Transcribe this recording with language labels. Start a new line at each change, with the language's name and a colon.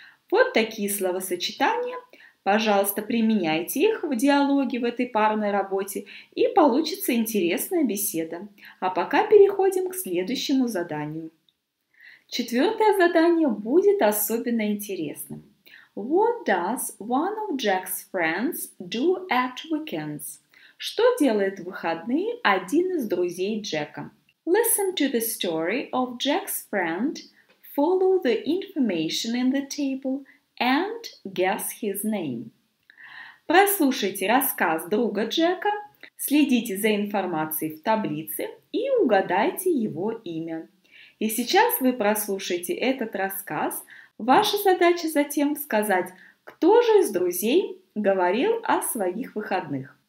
Russian: Вот такие словосочетания. Пожалуйста, применяйте их в диалоге в этой парной работе, и получится интересная беседа. А пока переходим к следующему заданию. Четвертое задание будет особенно интересным.
English: What does one of Jack's friends do at weekends?
Russian: Что делает в выходные один из друзей Джека?
English: Listen to the story of Jack's friend. Follow the information in the table and guess his name.
Russian: Прослушайте рассказ друга Джека, следите за информацией в таблице и угадайте его имя. И сейчас вы прослушаете этот рассказ. Ваша задача затем сказать, кто же из друзей говорил о своих выходных.